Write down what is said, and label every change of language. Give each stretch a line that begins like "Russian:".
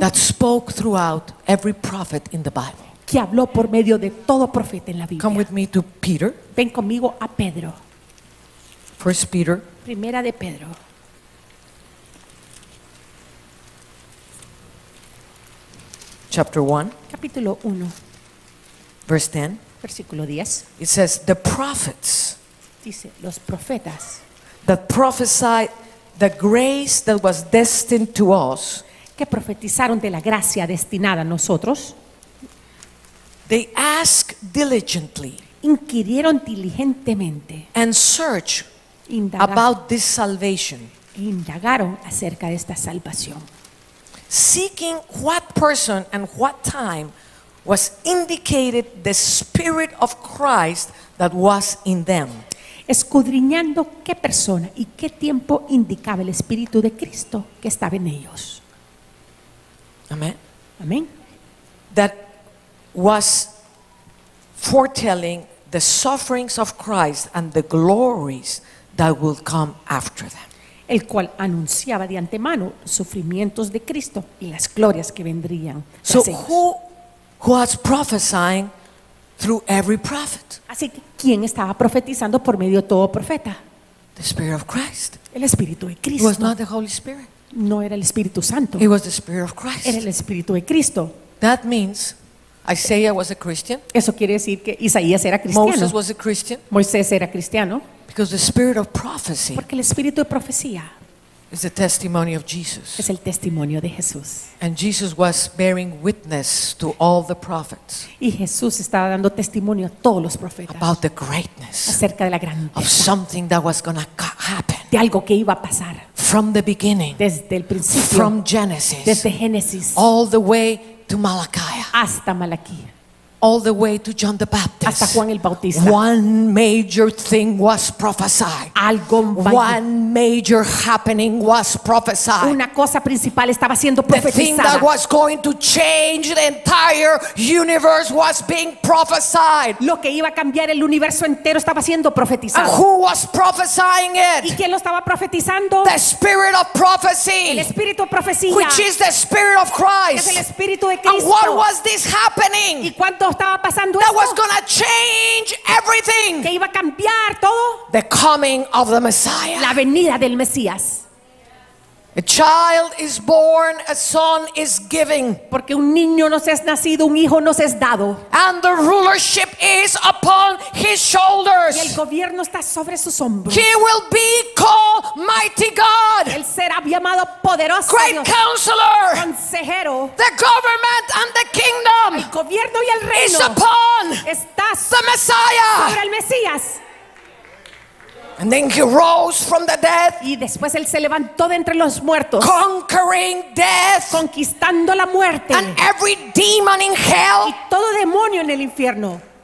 English: that spoke throughout every prophet in the Bible.
Spanish: Que habló por medio de todo profeta en la Biblia.
English: Come with me to Peter.
Spanish: Ven conmigo a Pedro.
English: First Peter.
Spanish: Primera de Pedro.
English: Chapter 1.
Spanish: Capítulo 1.
English: Verse 10.
Spanish: Versículo 10.
English: It says the prophets.
Spanish: Dice los profetas.
English: That prophesied the grace that was destined to us.
Spanish: Que profetizaron de la gracia destinada a nosotros.
English: They asked diligently.
Spanish: Inquirieron diligentemente.
English: And searched about this salvation.
Spanish: Indagaron acerca de esta salvación.
English: Seeking what person and what time was indicated the Spirit of Christ that was in them.
Spanish: Escudriñando qué persona y qué tiempo indicaba el Espíritu de Cristo que estaba en ellos. Amén. Amén.
English: That was foretelling the sufferings of Christ and the glories that will come after them.
Spanish: El cual anunciaba de antemano los sufrimientos de Cristo y las glorias que vendrían.
English: So who was prophesying through every prophet?
Spanish: Así que, ¿quién estaba profetizando por medio de todo profeta?
English: The Spirit of Christ.
Spanish: El Espíritu de Cristo.
English: It was not the Holy Spirit.
Spanish: No era el Espíritu Santo.
English: It was the Spirit of Christ.
Spanish: Era el Espíritu de Cristo.
English: That means Isaiah was a Christian.
Spanish: Eso quiere decir que Isaías era cristiano.
English: Moses was a Christian.
Spanish: Moisés era cristiano.
English: Because the Spirit of prophecy.
Spanish: Porque el Espíritu de profecía.
English: Is the testimony of Jesus.
Spanish: Es el testimonio de Jesús.
English: And Jesus was bearing witness to all the prophets.
Spanish: Y Jesús estaba dando testimonio a todos los profetas.
English: About the greatness.
Spanish: Acerca de la grandeza.
English: Of something that was going to happen.
Spanish: De algo que iba a pasar.
English: From the beginning.
Spanish: Desde el principio.
English: From Genesis.
Spanish: Desde Génesis.
English: All the way to Malachi.
Spanish: Hasta Malaquía.
English: All the way to John the Baptist.
Spanish: Hasta Juan el Bautista.
English: One major thing was prophesied.
Spanish: Algo
English: One major happening was prophesied.
Spanish: Una cosa principal estaba siendo profetizada.
English: The thing that was going to change the entire universe was being prophesied.
Spanish: Lo que iba a cambiar el universo entero estaba siendo profetizado.
English: And who was prophesying it?
Spanish: ¿Y quién lo estaba profetizando?
English: The Spirit of prophecy.
Spanish: El Espíritu de profecía.
English: Which is the Spirit of Christ.
Spanish: Es el Espíritu de Cristo.
English: And what was this happening?
Spanish: ¿Y cuánto estaba pasando esto?
English: That was gonna change everything.
Spanish: Que iba a cambiar todo.
English: The coming of the Messiah.
Spanish: La venida del Mesías.
English: A child is born, a son is given.
Spanish: Porque un niño nos es nacido, un hijo nos es dado.
English: And the rulership is upon his shoulders.
Spanish: Y el gobierno está sobre sus hombros.
English: He will be called Mighty God.
Spanish: Él será llamado poderoso.
English: Great
Spanish: Dios.
English: Counselor.
Spanish: Consejero.
English: The government and the kingdom.
Spanish: El gobierno y el reino.
English: Is upon.
Spanish: Estás.
English: The Messiah.
Spanish: Sobre el Mesías.
English: And then he rose from the dead.
Spanish: Y después él se levantó de entre los muertos.
English: Conquering death.
Spanish: Conquistando la muerte.
English: And every demon in hell.
Spanish: Y todo demonio en el infierno.